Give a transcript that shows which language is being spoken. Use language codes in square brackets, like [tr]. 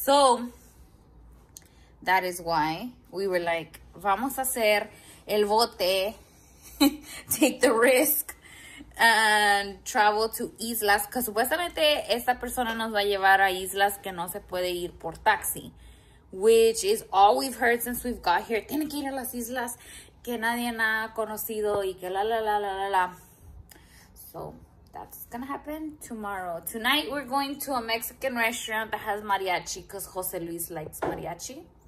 [en] So that is why we were like, [es] vamos a hacer el bote, [en] take the risk, and travel to islas. Because [es] supuestamente esta persona nos va a llevar a islas que no se puede ir por taxi. [en] Which is all we've heard since we've got here. [es] Tiene que ir a las islas que nadie ha conocido y que la, la, la, la, la, la. [en] So, that's gonna happen tomorrow. Tonight we're going to a Mexican restaurant that has mariachi because Jose Luis likes mariachi.